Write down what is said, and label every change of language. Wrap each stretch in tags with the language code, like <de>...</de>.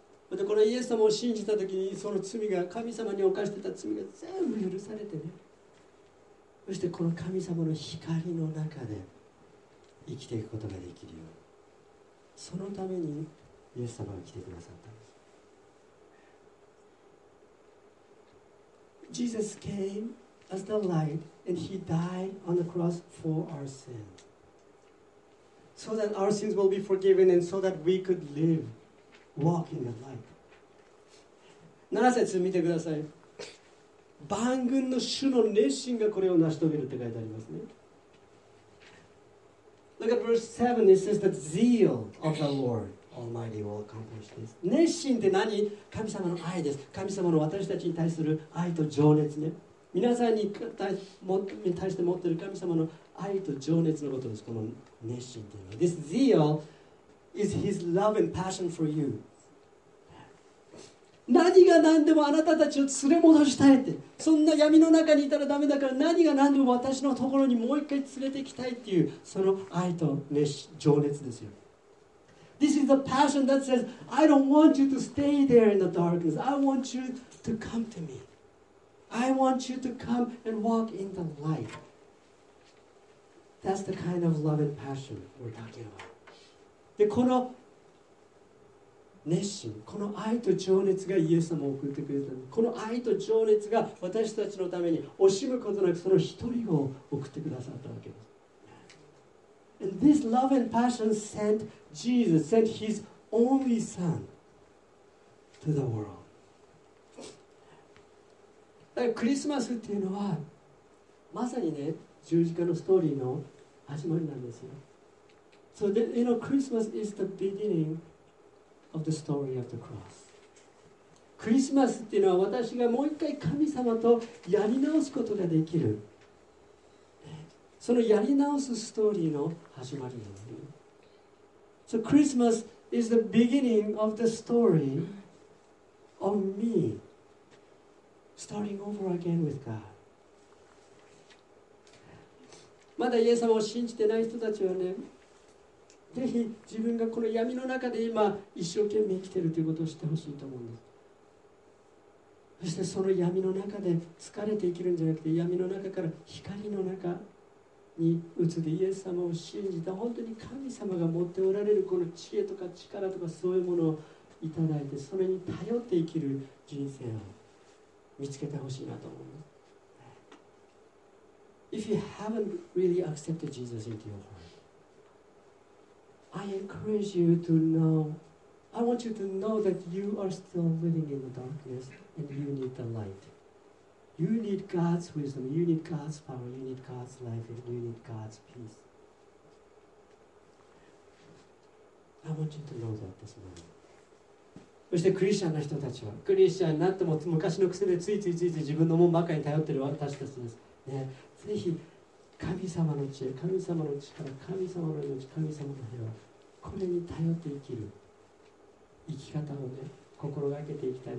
<ja>またこのイエス様を信じたときに、その罪が、神様に犯してた罪が全部許されてね、そしてこの神様の光の中で生きていくことができるように、そのためにイエス様が来てくださったんです。</ja> <en>Jesus came as the light and He died on the cross for our sins, so that our sins will be forgiven and so that we could liveWalk in the light.</en> <ja>7節見てください。万軍の主の熱心がこれを成し遂げるって書いてありますね。</ja> <en>Look at verse 7. It says that zeal of the Lord Almighty will accomplish this.</en> <ja>熱心って何？神様の愛です。神様の私たちに対する愛と情熱ね。皆さんに対して持っている神様の愛と情熱のことです。この熱心っていうのは。</ja> <en>This zeal. Is His love and passion for you.</en> <ja>何が何でもあなたたちを連れ戻したいって、そんな闇の中にいたらダメだから、何が何でも私のところにもう一回連れてきたいっていう、その愛と熱情熱ですよ。</ja> <en>This is a passion that says, I don't want you to stay there in the darkness. I want you to come to me. I want you to come and walk in the light. That's the kind of love and passion we're talking about.</en> <ja>で、この熱心、この愛と情熱がイエス様を送ってくれた。この愛と情熱が私たちのために惜しむことなくその一人を送ってくださったわけです。</ja> <en>And this love and passion sent Jesus, sent his only son to the world.</en> <ja>クリスマスっていうのはまさにね、十字架のストーリーの始まりなんですよ。</ja> <en>So the, you know, Christmas is the beginning of the story of the cross.</en> <ja>クリスマスっていうのは私がもう一回神様とやり直すことができる。そのやり直すストーリーの始まりなんですね。</ja> <en>So Christmas is the beginning of the story of me starting over again with God.</en> <ja>まだイエス様を信じてない人たちはね、ぜひ自分がこの闇の中で今一生懸命生きているということを知ってほしいと思うんです。そしてその闇の中で疲れて生きるんじゃなくて、闇の中から光の中に移ってイエス様を信じた、本当に神様が持っておられるこの知恵とか力とかそういうものをいただいて、それに頼って生きる人生を見つけてほしいなと思うんです。</ja> <en>If you haven't really accepted Jesus into your heart, I encourage you to know, I want you to know that you are still living in the darkness and you need the light. You need God's wisdom, you need God's power, you need God's life, and you need God's peace. I want you to know that this morning.</en> <ja>そしてクリスチャンの人たちは、クリスチャンになっても昔の癖でついついついつい自分のもんばかりに頼っている私たちです、ね。ぜひ神様の知恵、神様の力、神様の命、神様の平和、これに頼って生きる生き方をね、心がけていきたい。</ja>